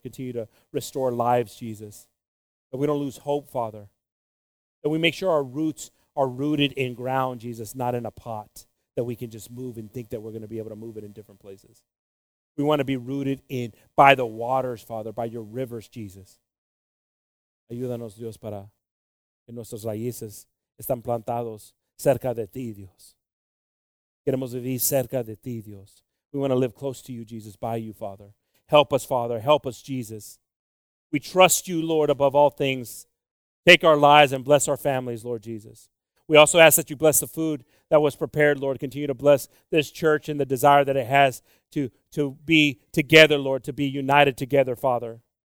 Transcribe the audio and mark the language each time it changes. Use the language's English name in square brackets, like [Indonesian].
[English] Continue to restore lives, Jesus. That we don't lose hope, Father. That we make sure our roots are rooted in ground, Jesus, not in a pot that we can just move and think that we're going to be able to move it in different places. We want to be rooted in by the waters, Father, by your rivers, Jesus. [Spanish] Ayúdanos, Dios, para que nuestras raíces están plantados cerca de ti, Dios. Queremos vivir cerca de ti, Dios. [English] We want to live close to you, Jesus, by you, Father. Help us, Father. Help us, Jesus. We trust you, Lord, above all things. Take our lives and bless our families, Lord Jesus. We also ask that you bless the food that was prepared, Lord. Continue to bless this church and the desire that it has to be together, Lord, to be united together, Father.